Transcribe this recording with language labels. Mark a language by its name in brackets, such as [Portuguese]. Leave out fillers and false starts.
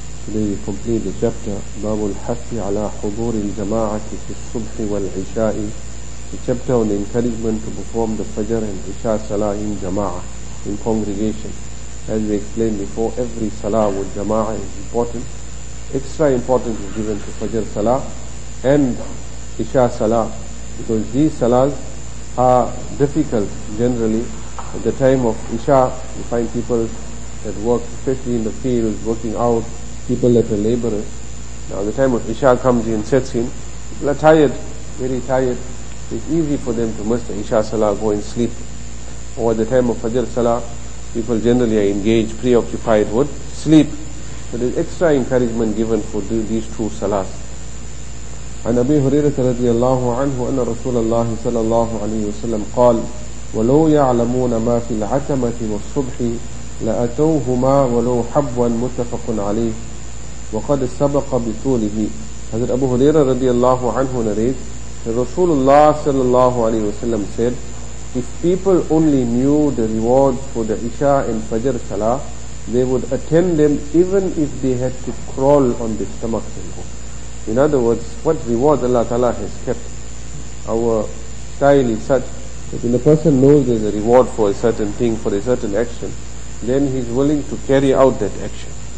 [English] We complete the chapter [Arabic] باب الحث على حضور الجماعة في الصبح والعشاء. [English] The chapter on the encouragement to perform the Fajr and Isha Salah in Jama'ah, in congregation. As we explained before, every Salah with Jama'ah is important. Extra importance is given to Fajr Salah and Isha Salah, because these Salahs are difficult generally. At the time of Isha, you find people that work, especially in the fields, working out, people that are laborers. Now the time of Isha comes in, sets in, people are tired, very tired. It's easy for them to miss the Isha Salah, go and sleep. Or at the time of Fajr Salah, people generally are engaged, preoccupied with sleep. So there's extra encouragement given for these two Salahs. [Arabic] عن أبي هريرة رضي الله عنه أن رسول الله صلى الله عليه وسلم قال ولو يعلمون ما في العتمة والصبح لأتوهما ولو حبا متفق عليه وقد سبق بطوله. حضرت أبو هريرة رضي الله عنه نريد [English] that Rasulullah sallallahu alayhi wa sallam said, if people only knew the rewards for the Isha and Fajr Salah, they would attend them even if they had to crawl on their stomachs and go. In other words, what rewards Allah Ta'ala has kept. Our style is such that when a person knows there's a reward for a certain thing, for a certain action, then he's willing to carry out that action.